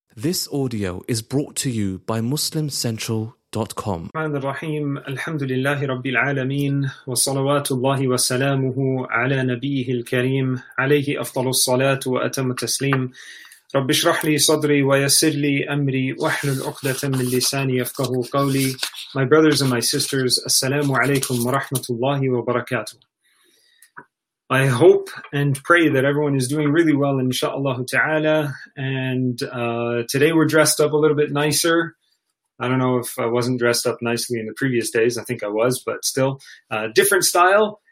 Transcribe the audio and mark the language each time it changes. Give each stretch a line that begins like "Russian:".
English: This audio is brought to you by MuslimCentral.com.
Arabic: الرحمن الرحيم الحمد لله رب العالمين وصلوات الله وسلامه على نبيه الكريم عليه أفضل الصلاة وأتم التسليم رب اشرح لي صدري ويسر لي أمري واحلل عقدة من لساني يفقه قولي.
English: My brothers and my sisters,
Arabic: السلام عليكم ورحمة الله وبركاته.
English: I hope and pray that everyone is doing really well, inshallah ta'ala. And today we're dressed up a little bit nicer. I don't know if I wasn't dressed up nicely in the previous days. I think I was, but still. Different style.